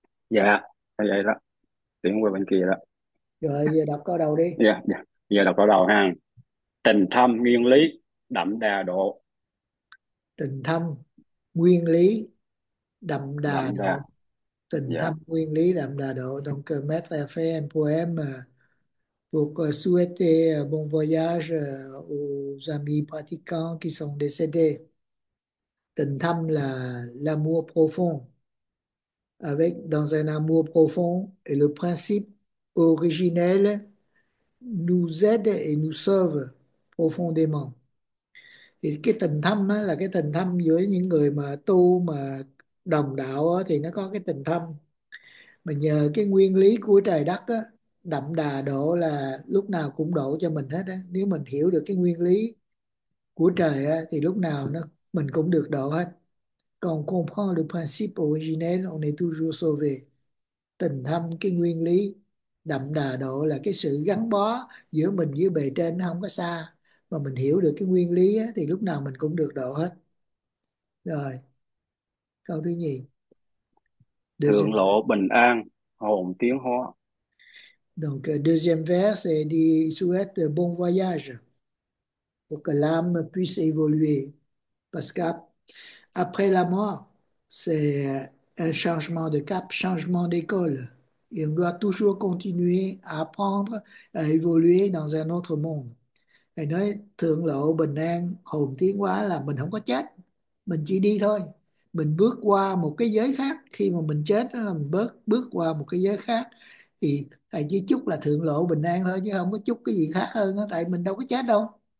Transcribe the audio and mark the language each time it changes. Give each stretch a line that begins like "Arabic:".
Vietnamese: Dạ, yeah, vậy đó. Tiến qua bên kia đó. Rồi giờ đọc câu đầu đi. Dạ. Giờ đọc đầu ha. Tình thâm nguyên lý đậm đà độ. Tình thâm nguyên lý đậm đà Đậm đà. độ. Tình Dạ. thâm nguyên lý đậm đà độ.
French: Donc maître a fait un poème pour souhaiter bon voyage aux amis pratiquants qui sont décédés.
Vietnamese: Tình thâm
French: là l'amour profond, avec dans un amour profond et le principe originel nous aide et nous sauve profondément.
Vietnamese: Et cái tình thâm đó là cái tình thâm giữa những người mà tu mà đồng đạo đó, thì nó có cái tình thâm. Mà nhờ cái nguyên lý của trời đất đó, đậm đà độ là lúc nào cũng độ cho mình hết đó. Nếu mình hiểu được cái nguyên lý của trời đó, thì lúc nào nó mình cũng được độ hết.
French: Còn comprendre le principe originel, on est toujours sauvé.
Vietnamese: Tình thâm, cái nguyên lý đậm đà độ là cái sự gắn bó giữa mình với bề trên nó không có xa, mà mình hiểu được cái nguyên lý á, thì lúc nào mình cũng được độ hết. Rồi, câu thứ nhì. Thượng lộ bình an hồn tiến hóa.
French: Donc, deuxième vers, c'est dit, souhaite bon voyage pour que l'âme puisse évoluer. Parce qu'après la mort, c'est un changement de cap, changement d'école. Et on doit toujours continuer à apprendre, à évoluer dans un autre monde.
Vietnamese: Thầy nói thượng lộ bình an, hồn tiến hóa là mình không có chết, mình chỉ đi thôi. Mình bước qua một cái giới khác, khi mà mình chết là mình bước qua một cái giới khác. Thì thầy chỉ chúc là thượng lộ bình an thôi, chứ không có chúc cái gì khác hơn đó, tại mình đâu có chết đâu.